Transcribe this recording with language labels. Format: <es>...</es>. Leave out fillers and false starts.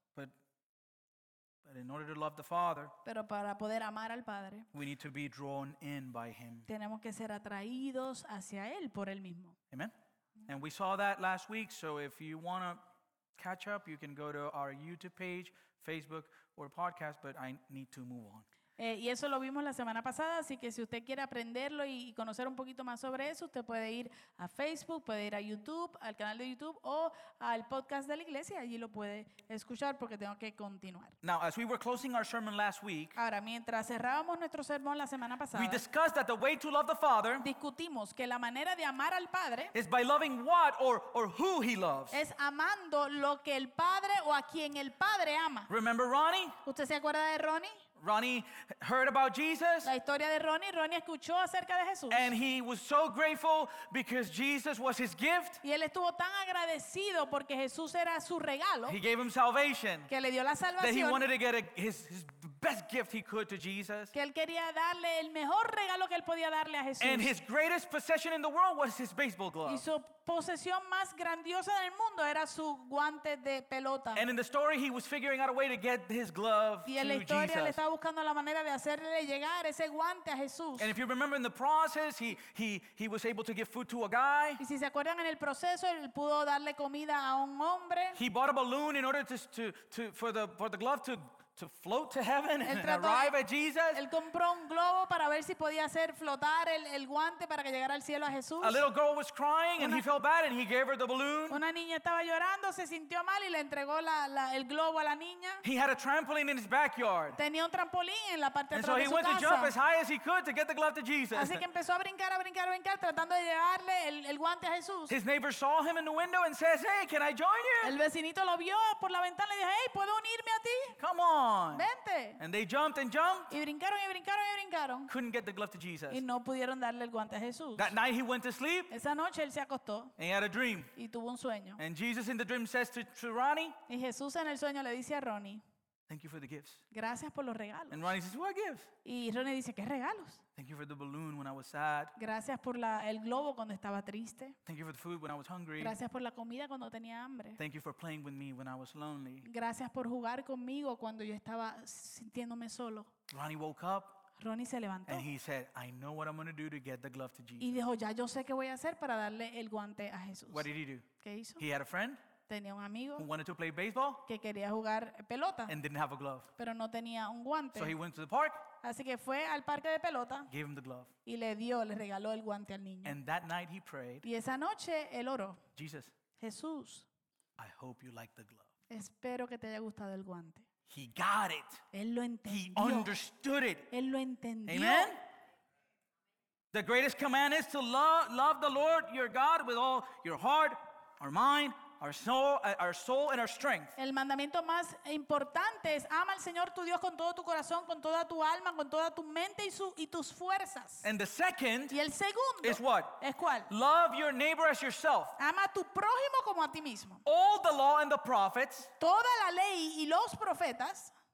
<en>But in order to love the Father,</en> <es>pero para poder amar al Padre,</es> <en>we need to be drawn in by Him.</en> <es>Tenemos que ser atraídos hacia Él por Él mismo.</es> <en>Amen. And we saw that last week, so if you want to catch up, you can go to our YouTube page, Facebook, or podcast, but I need to move on.</en> <es>Y eso lo vimos la semana pasada, así que si usted quiere aprenderlo y conocer un poquito más sobre eso, usted puede ir a Facebook, puede ir a YouTube, al canal de YouTube, o al podcast de la iglesia, allí lo puede escuchar porque tengo que continuar.</es> <en>Now, as we were closing our sermon last week,</en> <es>ahora, mientras cerrábamos nuestro sermón la semana pasada,</es> <en>we discussed that the way to love the Father,</en> <es>discutimos que la manera de amar al Padre,</es> <en>is by loving what or who He loves.</en> <es>Es amando lo que el Padre o a quien el Padre ama.</es> <en>Remember Ronnie?</en> <es>¿Usted se acuerda de Ronnie?</es> <en>Ronnie heard about Jesus.</en> <es>La historia de Ronnie. Ronnie escuchó acerca de Jesús.</es> <en>And he was so grateful because Jesus was his gift.</en> <es>Y él estuvo tan agradecido porque Jesús era su regalo.</es> <en>He gave him salvation.</en> <es>Que le dio la salvación.</es> <en>That he wanted to get his best gift he could to Jesus.</en> <es>Que él quería darle el mejor regalo que él podía darle a Jesús.</es> <en>And his greatest possession in the world was his baseball glove.</en> <es>Y su posesión más grandiosa del mundo era su guante de pelota.</es> <en>And in the story, he was figuring out a way to get his glove</en> <es>y en la historia,</es> <en>to Jesus.</en> <es>Le estaba buscando la manera de hacerle llegar ese guante a Jesús.</es> <en>And if you remember in the process, he was able to give food to a guy.</en> <es>Y si se acuerdan en el proceso, él pudo darle comida a un hombre.</es> <en>He bought a balloon in order for the glove to float to heaven and arrive at Jesus.</en> <es>Él compró un globo para ver si podía hacer flotar el guante para que llegara al cielo a Jesús.</es> <en>A little girl was crying and he felt bad and he gave her the balloon.</en> <es>Una niña estaba llorando, se sintió mal y le entregó el globo a la niña.</es> <en>He had a trampoline in his backyard.</en> <es>Tenía un trampolín en la parte de su casa.</es> <en>And so he went to jump as high as he could to get the glove to Jesus.</en> <es>Así que empezó a brincar, a brincar, a brincar, tratando de llevarle el guante a Jesús.</es> <en>His neighbor saw him in the window and says, "Hey, can I join you?"</en> <es>El vecinito lo vio por la ventana y dijo, "Hey, ¿puedo unirme a ti?"</es> <en>Come on.</en> <es>Vente.</es> <en>And they jumped and jumped.</en> <es>Y brincaron, y brincaron, y brincaron.</es> <en>Couldn't get the glove to Jesus.</en> <es>Y no pudieron darle el guante a Jesús.</es> <en>That night he went to sleep.</en> <es>Esa noche él se acostó.</es> <en>And he had a dream.</en> <es>Y tuvo un sueño.</es> <en>And Jesus in the dream says to Ronnie.</en> <es>Y Jesús en el sueño le dice a Ronnie.</es> <en>Thank you for the gifts.</en> <es>Gracias por los regalos.</es> <en>And Ronnie says, what gifts?</en> <es>Y Ronnie dice, ¿qué regalos?</es> <en>Thank you for the balloon when I was sad.</en> <es>Gracias por el globo cuando estaba triste.</es> <en>Thank you for the food when I was hungry.</en> <es>Gracias por la comida cuando tenía hambre.</es> <en>Thank you for playing with me when I was lonely.</en> <es>Gracias por jugar conmigo cuando yo estaba sintiéndome solo.</es> <en>Ronnie woke up.</en> <es>Ronnie se levantó.</es> <en>And he said, "I know what I'm going to do to get the glove to Jesus."</en> <es>Y dijo, "Ya yo sé qué voy a hacer para darle el guante a Jesús."</es> <en>What did he do?</en> <es>¿Qué hizo?</es> <en>He had a friend.</en> <es>Tenía un amigo</es> <en>who wanted to play baseball.</en> <es>Que quería jugar pelota.</es> <en>And didn't have a glove.</en> <es>Pero no tenía un guante.</es> <en>So he went to the park.</en> <es>Así que fue al parque de pelota.</es> <en>Gave him the glove.</en> <es>Y le regaló el guante al niño.</es> <en>And that night he prayed.</en> <es>Y esa noche él oró.</es> <en>Jesus.</en> <es>Jesús.</es> <en>I hope you like the glove.</en> <es>Espero que te haya gustado el guante.</es> <en>He got it.</en> <es>Él lo entendió.</es> <en>He understood it.</en> <es>Él lo entendió.</es> <en>Amen. The greatest command is to love the Lord your God with all your heart, our mind, our soul and our strength.</en> <es>El mandamiento más importante es ama al Señor tu Dios con todo tu corazón, con toda tu alma, con toda tu mente y tus fuerzas.</es> <en>And the second,</en> <es>y el segundo,</es> <en>is what?</en> <es>¿Es cuál?</es> <en>Love your neighbor as yourself.</en> <es>Ama a tu prójimo como a ti mismo.</es> <en>All the law and the prophets.</en> <es>Toda la ley y los profetas.</es>